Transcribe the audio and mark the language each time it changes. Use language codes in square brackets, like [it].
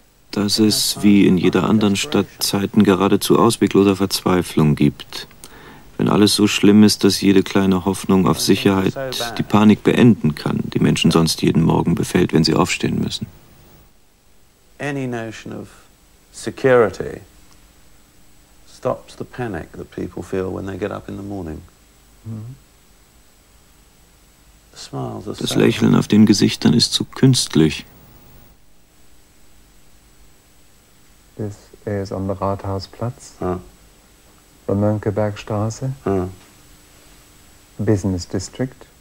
[de] Dass es, wie in jeder anderen Stadt, Zeiten geradezu ausweglose Verzweiflung gibt. Wenn alles so schlimm ist, dass jede kleine Hoffnung auf Sicherheit die Panik beenden kann, die Menschen sonst jeden Morgen befällt, wenn sie aufstehen müssen. [en] Any notion of security stops the panic that people feel when they get up in the morning. [de] Das Lächeln auf den Gesichtern ist zu künstlich. Er ist am Rathausplatz, der Mönckebergstraße, Business District,